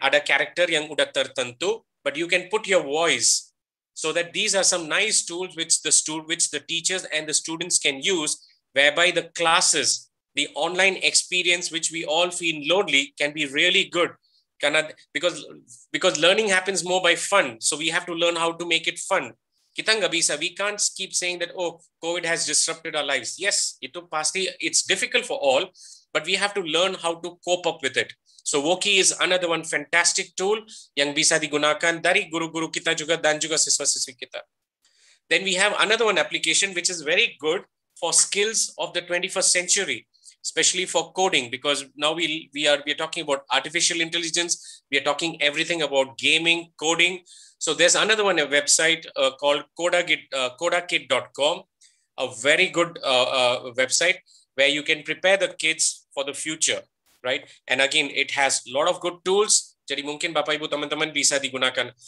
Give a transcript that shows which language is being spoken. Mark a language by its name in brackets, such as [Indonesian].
[Indonesian] Ada character yang udah tertentu, [English] but you can put your voice, so that these are some nice tools which the teachers and the students can use, whereby the classes, the online experience which we all feel lonely, can be really good. Because learning happens more by fun, so we have to learn how to make it fun. [Indonesian] Kita nggak bisa, [English] we can't keep saying that, oh, COVID has disrupted our lives. Yes, [Indonesian] itu pasti, [English] it's difficult for all, but we have to learn how to cope up with it. So Woki is another one fantastic tool [Indonesian] yang bisa digunakan dari guru-guru kita juga dan juga siswa-siswi kita. [English] Then we have another one application which is very good for skills of the 21st century, especially for coding, because now we are talking about artificial intelligence, we are talking everything about gaming, coding. So there's another one, a website called CodaKid.com, a very good website where you can prepare the kids for the future, right? And again, it has a lot of good tools. [Indonesian] Jadi mungkin Bapak Ibu teman-teman bisa digunakan.